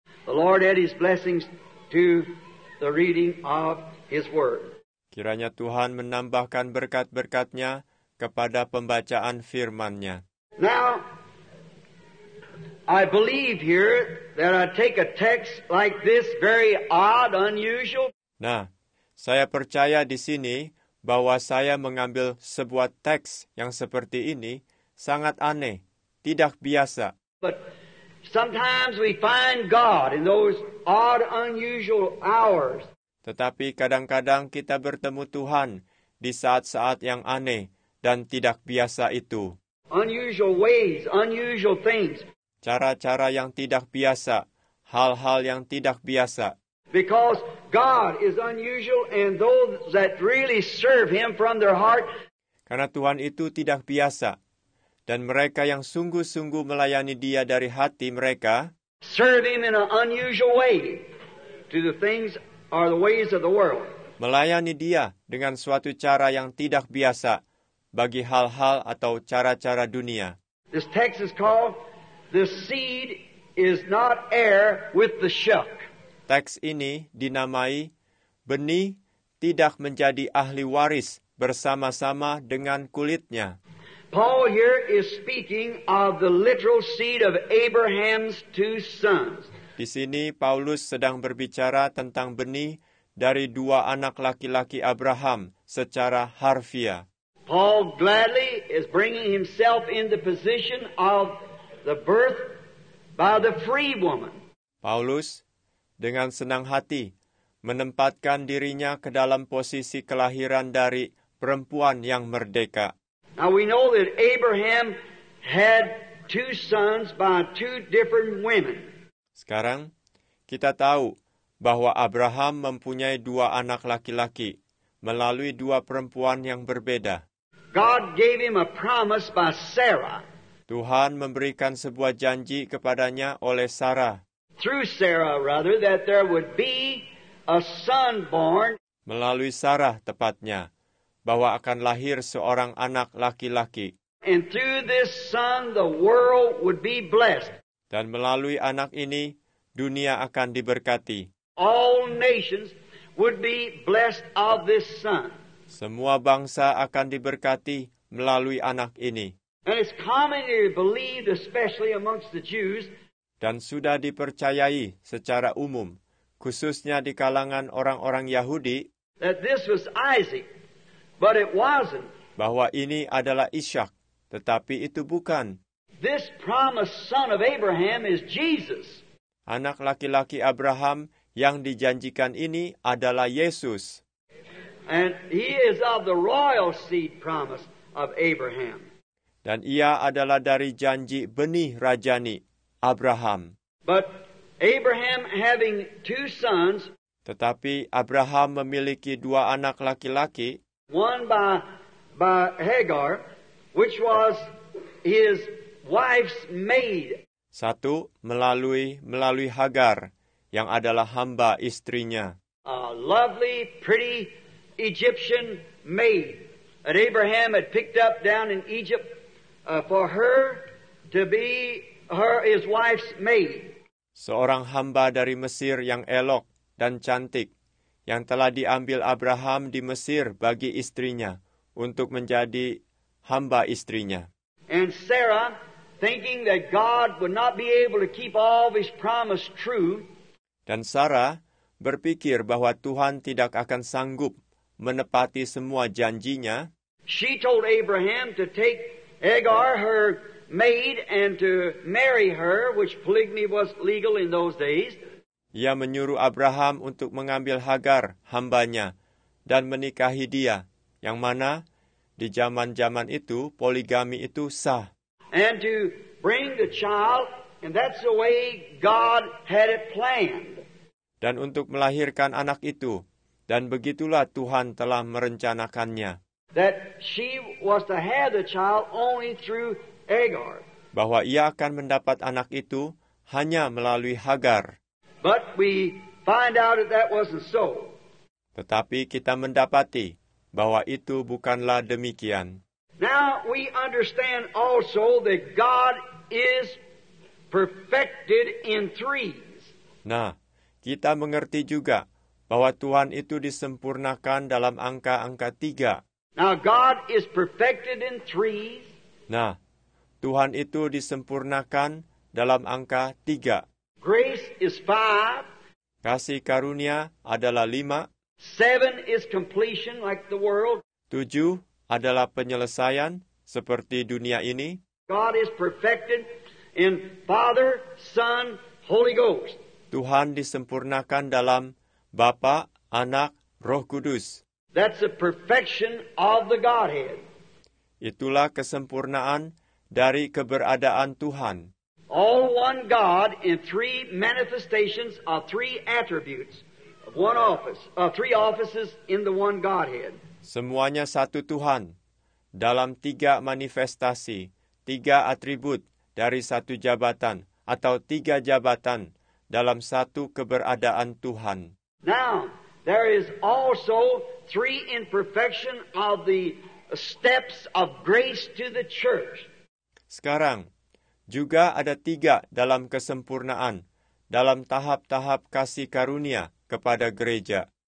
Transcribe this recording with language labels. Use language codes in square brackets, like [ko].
[en] The Lord add His blessings to the reading of His word. [id] Kiranya Tuhan menambahkan berkat-berkat-Nya kepada pembacaan firman-Nya. [en] Now, I believe here that I take a text like this, very odd, unusual. [id] Nah, saya percaya di sini bahwa saya mengambil sebuah teks yang seperti ini, sangat aneh, tidak biasa. [en] But sometimes we find God in those odd, unusual hours. [id] Tetapi kadang-kadang kita bertemu Tuhan di saat-saat yang aneh dan tidak biasa itu. [en] Unusual ways, unusual things. [id] Cara-cara yang tidak biasa, hal-hal yang tidak biasa. [en] Because God is unusual and those that really serve Him from their heart. [id] Karena Tuhan itu tidak biasa. Dan mereka yang sungguh-sungguh melayani Dia dari hati mereka. [en] Serve Him in an unusual way to the things are the ways of the world. [id] Melayani Dia dengan suatu cara yang tidak biasa bagi hal-hal atau cara-cara dunia. [en] This text is called The Seed is Not Heir with the Shuck. [id] Teks ini dinamai Benih tidak menjadi ahli waris bersama-sama dengan kulitnya. [en] Paul here is speaking of the literal seed of Abraham's two sons. [id] Di sini Paulus sedang berbicara tentang benih dari dua anak laki-laki Abraham secara harfiah. [en] Paul gladly is bringing himself in the position of the birth by the free woman. [id] Paulus dengan senang hati menempatkan dirinya ke dalam posisi kelahiran dari perempuan yang merdeka. [en] Now we know that Abraham had two sons by two different women. [id] Sekarang kita tahu bahwa Abraham mempunyai dua anak laki-laki melalui dua perempuan yang berbeda. [en] God gave him a promise by Sarah. [id] Tuhan memberikan sebuah janji kepadanya oleh Sarah. [en] Through Sarah, rather, that there would be a son born. [id] Melalui Sarah tepatnya, bahwa akan lahir seorang anak laki-laki. [en] And through this son, the world would be blessed. [id] Dan melalui anak ini, dunia akan diberkati. [en] All nations would be blessed of this son. [id] Semua bangsa akan diberkati melalui anak ini. [en] And it's commonly believed, especially amongst the Jews. [id] Dan sudah dipercayai secara umum, khususnya di kalangan orang-orang Yahudi, [en] that this was Isaac, but it wasn't. [id] Bahwa ini adalah Ishak, tetapi itu bukan. [en] This promised son of Abraham is Jesus. [id] Anak laki-laki Abraham yang dijanjikan ini adalah Yesus. [en] And he is of the royal seed promise of Abraham. [id] Dan ia adalah dari janji benih rajani, Abraham. [en] But Abraham having two sons. [id] Tetapi Abraham memiliki dua anak laki-laki. [en] One by Hagar, which was his wife's maid. [id] Satu melalui Hagar, yang adalah hamba istrinya. [en] A lovely, pretty Egyptian maid that Abraham had picked up down in Egypt for her to be his wife's maid. [id] Seorang hamba dari Mesir yang elok dan cantik, yang telah diambil Abraham di Mesir bagi istrinya, untuk menjadi hamba istrinya. [en] And Sarah, thinking that God would not be able to keep all of his promise true. [id] Dan Sarah berpikir bahwa Tuhan tidak akan sanggup menepati semua janjinya. [en] She told Abraham to take Hagar, her maid, and to marry her, which polygamy was legal in those days. [id] Ia menyuruh Abraham untuk mengambil Hagar, hambanya, dan menikahi dia, yang mana di zaman-zaman itu poligami itu sah. [en] And to bring the child, and that's the way God had it planned. [id] Dan untuk melahirkan anak itu, dan begitulah Tuhan telah merencanakannya. [en] That she was to have the child only through Hagar. [id] Bahwa ia akan mendapat anak itu hanya melalui Hagar. [en] But we find out that wasn't so. [id] Tetapi kita mendapati bahwa itu bukanlah demikian. [en] Now we understand also that God is perfected in threes. [id] Nah, kita mengerti juga bahwa Tuhan itu disempurnakan dalam angka-angka tiga. [en] Now God is perfected in threes. [id] Nah, Tuhan itu disempurnakan dalam angka tiga. [en] Grace is five. [id] Kasih karunia adalah lima. [en] Seven is completion like the world. [id] Tujuh adalah penyelesaian seperti dunia ini. [en] God is perfected in Father, Son, Holy Ghost. [id] Tuhan disempurnakan dalam Bapa, Anak, Roh Kudus. [en] That's the perfection of the Godhead. [id] Itulah kesempurnaan dari keberadaan Tuhan. [en] All one God in three manifestations of three attributes of one office, three offices in the one Godhead. [id] Semuanya satu Tuhan dalam tiga manifestasi, tiga atribut dari satu jabatan atau tiga jabatan dalam satu keberadaan Tuhan. [en] Now, there is also three imperfection of the steps of grace to the church. [id] Sekarang, juga ada tiga dalam kesempurnaan, dalam tahap-tahap kasih karunia kepada gereja.